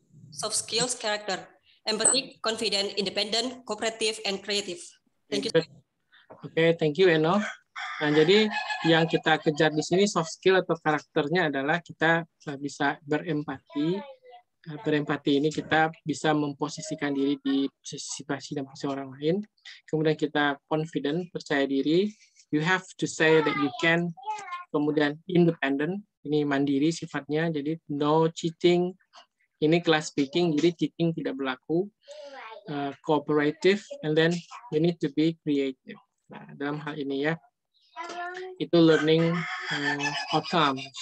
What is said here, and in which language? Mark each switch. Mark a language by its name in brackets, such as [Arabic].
[English] Soft skills, character, empathic, confident, independent, cooperative, and creative. Thank you. Okay, thank you, Eno. [Indonesian] Nah, jadi yang kita kejar di sini soft skill atau karakternya adalah kita bisa berempati. Berempati ini kita bisa memposisikan diri di posisi dan posisi orang lain. Kemudian kita confident, percaya diri. [English] You have to say that you can. [Indonesian] Kemudian independent. Ini mandiri sifatnya, jadi [English] no cheating. [Indonesian] Ini class speaking, jadi cheating tidak berlaku. [English] Cooperative, and then you need to be creative. [Indonesian] Nah, dalam hal ini ya, itu learning outcomes.